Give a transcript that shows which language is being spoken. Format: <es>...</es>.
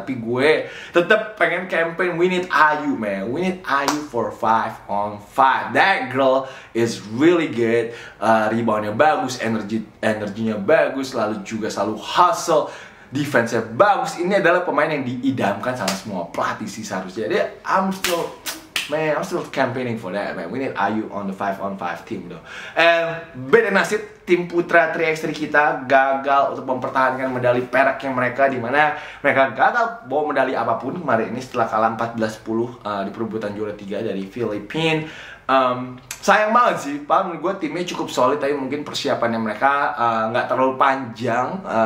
<id>Tapi gue tetap pengen campaign,</id> <en>we need Ayu man, we need Ayu for 5-on-5. That girl is really good.</en> <id>Reboundnya bagus, energinya bagus, lalu juga selalu hustle, defense-nya bagus. Ini adalah pemain yang diidamkan sama semua pelatih sih seharusnya. Jadi</id> <en>I'm still campaigning for that, man. We need Ayu on the 5-on-5 team, though.</en> <id>And beda nasib, tim putra 3x3 kita gagal untuk mempertahankan medali peraknya mereka, di mana mereka gagal bawa medali apapun kemarin ini setelah kalah 14-10 di perebutan juara 3 dari Filipina. Sayang banget sih, paham gue timnya cukup solid, tapi mungkin persiapannya mereka nggak terlalu panjang.</id>